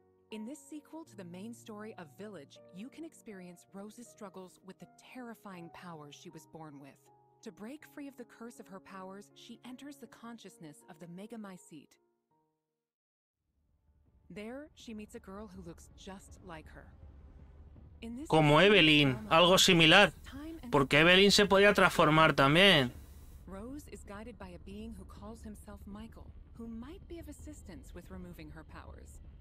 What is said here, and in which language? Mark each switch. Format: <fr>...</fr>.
<en>In this sequel to the main story of Village, you can experience Rose's struggles with the terrifying powers she was born with. To break free of the curse of her powers, she enters the consciousness of the Megamycete. There, she meets a girl who looks just like her.</en> <es>Como Evelyn, algo similar, porque Evelyn se podía transformar también.</es> <en>Rose is guided by a being who calls himself Michael, who might be of assistance with removing her powers.</en>